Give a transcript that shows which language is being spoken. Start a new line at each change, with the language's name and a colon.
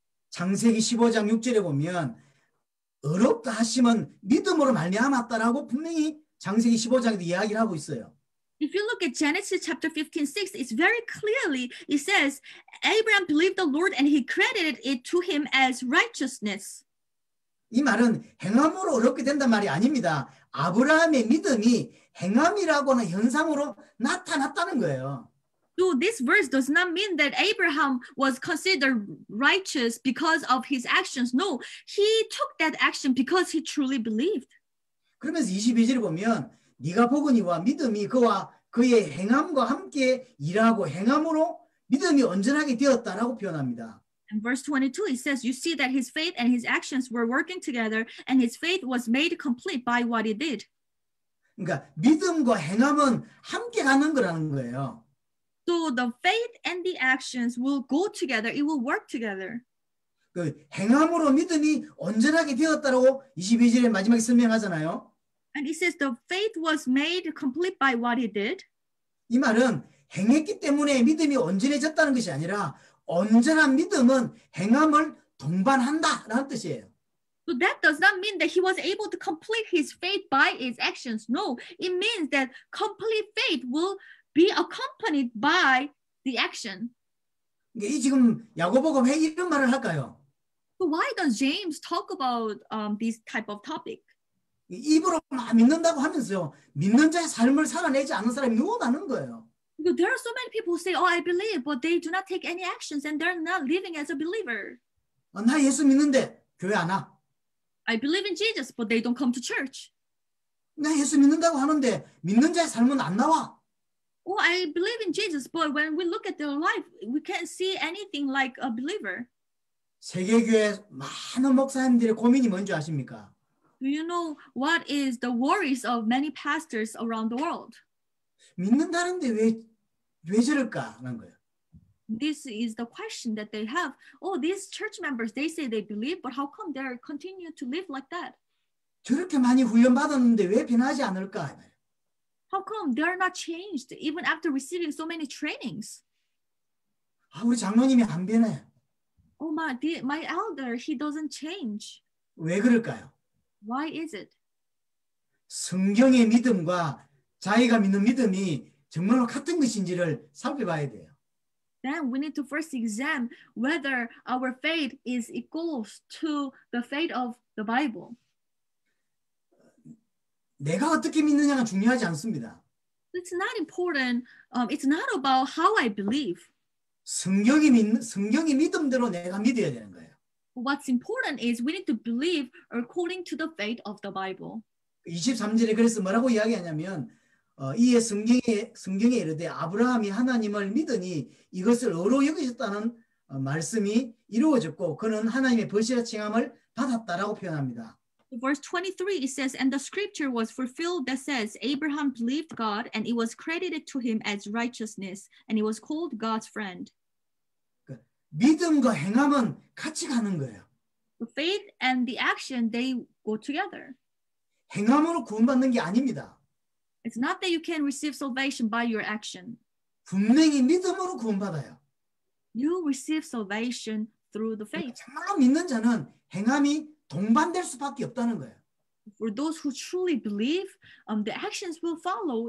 Korean: 창세기 15장 6절에 보면 어렵다 하심은 믿음으로 말미암았다라고 분명히 창세기 15장에도 이야기를 하고 있어요.
English: If you look at Genesis chapter 15:6, it's very clearly, it says, Abraham believed the Lord and he credited it to him as righteousness.
Korean: 이 말은 행함으로 어렵게 된단 말이 아닙니다. 아브라함의 믿음이 행함이라고 하는 현상으로 나타났다는 거예요.
English: So this verse does not mean that Abraham was considered righteous because of his actions. No, he took that action because he truly believed.
Korean: 그러면서 22절을 보면 네가 보거니와 믿음이 그와 그의 행함과 함께 일하고 행함으로 믿음이 온전하게 되었다라고 표현합니다.
English: In verse 22, it says, "You see that his faith and his actions were working together, and his faith was made complete by what he did."
Korean: 그러니까 믿음과 행함은 함께 가는 거라는 거예요.
English: So the faith and the actions will go together. It will work together.
Korean: 그 행함으로 믿음이 온전하게 되었다라고 22절에 마지막에 설명하잖아요.
English: And he says the faith was made complete by what he did.
Korean: 이 말은 행했기 때문에 믿음이 온전해졌다는 것이 아니라 온전한 믿음은 행함을 동반한다라는 뜻이에요.
English: So that does not mean that he was able to complete his faith by his actions. No, it means that complete faith will be accompanied by the action.
Korean: 이 지금 야고보가 왜 이런 말을 할까요?
English: But why does James talk about this type of topic?
Korean: 입으로 믿는다고 하면서요. 믿는 자의 삶을 살아내지 않는 사람이 너무 많은 거예요.
English: But there are so many people who say, oh, I believe, but they do not take any actions and they're not living as a believer.
Korean: 나 예수 믿는데 교회 안 와.
English: I believe in Jesus, but they don't come to church.
Korean: 나 예수 믿는다고 하는데 믿는 자의 삶은 안 나와.
English: Oh, I believe in Jesus, but when we look at their life, we can't see anything like a believer.
Korean: 세계교회 많은 목사님들의 고민이 뭔지 아십니까?
English: Do you know what is the worries of many pastors around the world?
Korean: 믿는다는데 왜 저럴까? 라는 거예요.
English: This is the question that they have. Oh, these church members, they say they believe, but how come they continue to live like that?
Korean: 저렇게 많이 훈련받았는데 왜 변하지 않을까?
English: How come they are not changed even after receiving so many trainings?
Korean: 아, 우리 장로님이 안 변해.
English: Oh, my elder, he doesn't change.
Korean: 왜 그럴까요?
English: Why is it?
Korean: 성경의 믿음과 자기가 믿는 믿음이 정말로 같은 것인지를 살펴봐야 돼요.
English: Then we need to first examine whether our faith is equal to the faith of the Bible.
Korean: 내가 어떻게 믿느냐가 중요하지 않습니다.
English: It's not important. It's not about how I believe.
Korean: 성경이 믿음대로 내가 믿어야 되는 거예요.
English: What's important is we need to believe according to the faith of the Bible.
Korean: 23절에 그래서 뭐라고 이야기하냐면 이에 성경에 이르되 아브라함이 하나님을 믿으니 이것을 의로 여기셨다는 말씀이 이루어졌고 그는 하나님의 벗이라 칭함을 받았다라고 표현합니다.
English: Verse 23 it says and the scripture was fulfilled that says Abraham believed God and it was credited to him as righteousness and he was called God's friend.
Korean: 믿음과 행함은 같이 가는 거예요.
English: The faith and the action, they go together.
Korean: 행함으로 구원받는 게 아닙니다.
English: It's not that you can receive salvation by your action.
Korean: 분명히 믿음으로 구원받아요.
English: You receive salvation through the faith.
Korean: 정말 믿는 자는 행함이 동반될 수밖에 없다는 거예요.
English: For those who truly believe, the actions will follow.